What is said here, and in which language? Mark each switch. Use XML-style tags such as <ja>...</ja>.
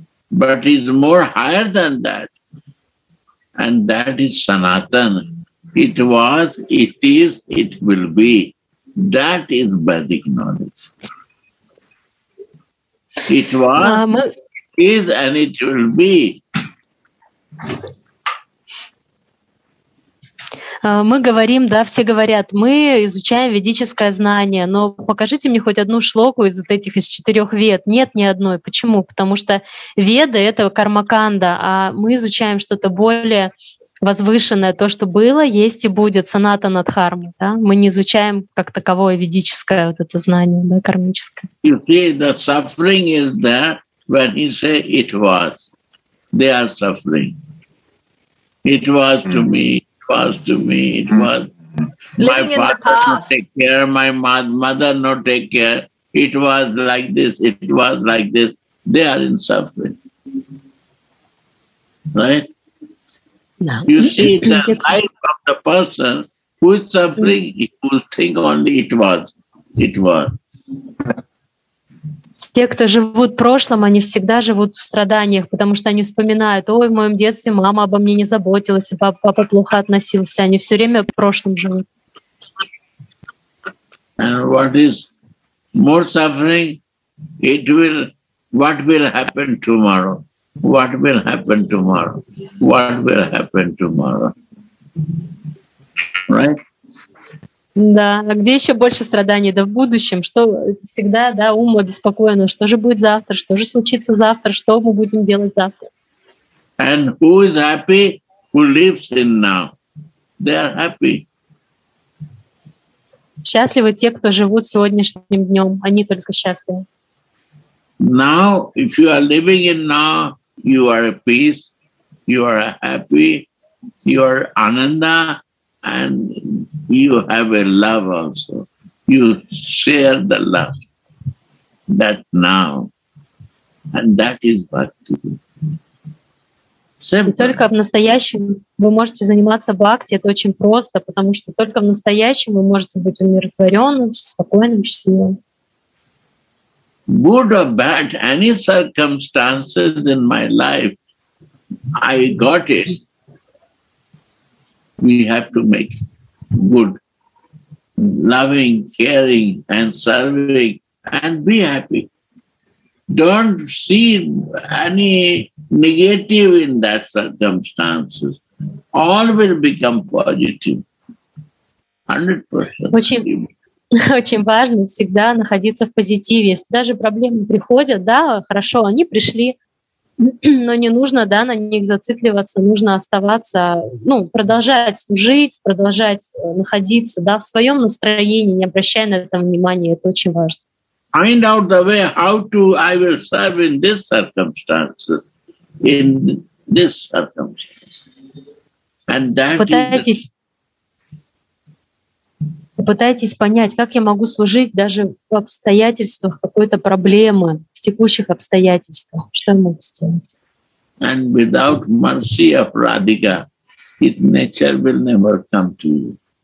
<en>But it's more higher than that. And that is Sanatana. It was, it is, it will be. That is Vedic knowledge. It was, it is, and it will be.</en> <ru>Мы говорим, да, все говорят, мы изучаем ведическое знание, но покажите мне хоть одну шлоку из вот этих, из четырех вед. Нет ни одной. Почему? Потому что веды — это кармаканда, а мы изучаем что-то более возвышенное, то, что было, есть и будет, санатана дхарма. Да? Мы не изучаем как таковое ведическое вот это знание, да, кармическое.</ru> <en>You see, the suffering is there when he said it was. They are suffering. It was to me, it was to me, it was. Living my father not take care, my mother not take care. It was like this, it was like this. They are in suffering. Right? No. You see, the life of the person who is suffering, who think only it was, it was.</en> <ru>Те, кто живут в прошлом, они всегда живут в страданиях, потому что они вспоминают, ой, в моем детстве мама обо мне не заботилась, папа плохо относился. Они все время в прошлом живут.</ru> <en>And what is more suffering? It will, what will happen tomorrow? What will happen tomorrow? What will happen tomorrow? Right?</en> <ru>Да, а где еще больше страданий? Да в будущем. Что всегда, да, ум обеспокоен. Что же будет завтра? Что же случится завтра? Что мы будем делать завтра?</ru> <en>And who is happy, who lives in now? They are happy.</en> <ru>Счастливы те, кто живут сегодняшним днем. Они только счастливы.</ru> <en>Now, if you are living in now, you are at peace, you are happy, you are ananda, and you have a love also. You share the love, that now, and that is bhakti.</en> <ru>И только в настоящем вы можете заниматься бхакти, это очень просто, потому что только в настоящем вы можете быть умиротворенным, спокойным, счастливым.</ru> <en>Good or bad, any circumstances in my life, I got it. We have to make good, loving, caring and serving and be happy. Don't see any negative in that circumstances. All will become positive. 100%.</en> <ru>Очень важно всегда находиться в позитиве. Если даже проблемы приходят, да, хорошо, они пришли, но не нужно, да, на них зацикливаться, нужно оставаться, ну, продолжать служить, продолжать находиться, да, в своем настроении, не обращая на это внимания, это очень важно.</ru> <en>Find out the way how to I will serve in this circumstances, in this circumstances. And that</en> <ru>Пытайтесь понять, как я могу служить даже в обстоятельствах какой-то проблемы, в текущих обстоятельствах. Что я могу сделать?</ru> <en>And without mercy of Radhika, its nature will never come to you.</en>